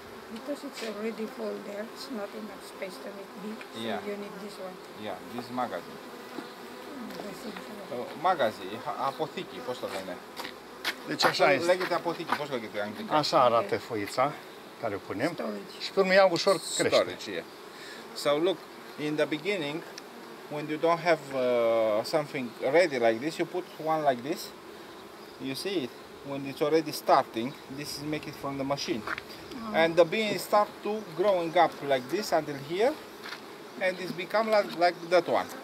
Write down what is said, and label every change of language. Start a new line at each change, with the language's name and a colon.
English: Because it's already full there, it's not enough space to make bee, so yeah. You need this one. Yeah, this magazine. Magazine, apotheke, how do you call it?
Romanian: Deci așa este.
English: Leg it apotheke, how do you call it?
Romanian: Așa arată foița, care o punem. Storage. Și până ea ușor crește.
English: Storage, yeah. So look, in the beginning, when you don't have something ready like this, you put one like this. You see it? When it's already starting, this is make it from the machine. Oh. And the bee start to growing up like this until here, and it's become like that one.